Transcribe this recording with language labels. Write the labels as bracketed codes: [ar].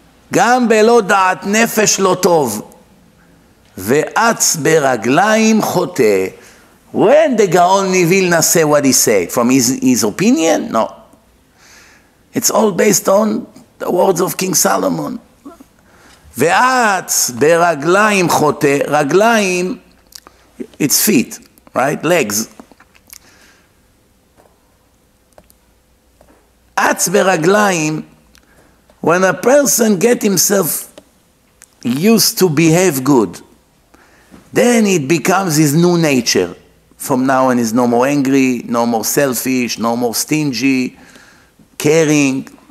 [he] Gam belo da'at nefesh lo tov, ve'atz beraglaim chote. [en] When the Gaon Mivilna say what he said? From his opinion? No. It's all based on the words of King Solomon. [he] ואת ברגליים חוטא, רגליים, [en] it's feet, right? Legs. [he] אץ ברגליים, [en] when a person get himself used to behave good, then it becomes his new nature. From now on, he's no more angry, no more selfish, no more stingy, caring.